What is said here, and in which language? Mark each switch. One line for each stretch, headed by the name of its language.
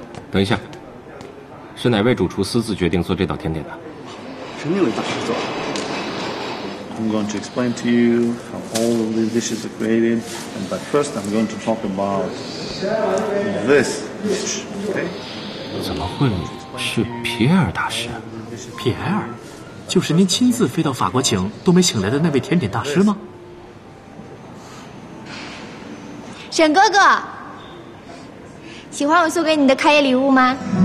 Chinese: 等一下，是哪位主厨私自决定做这道甜点的？是那位大师做的。
English: I'm going to explain to you how all of these dishes are created, and but first I'm going to talk about this dish. Okay?
Chinese: 怎么会是皮埃尔大师？皮埃尔，就是您亲自飞到法国请都没请来的那位甜点大师吗？沈哥哥，喜欢我送给你的开业礼物吗？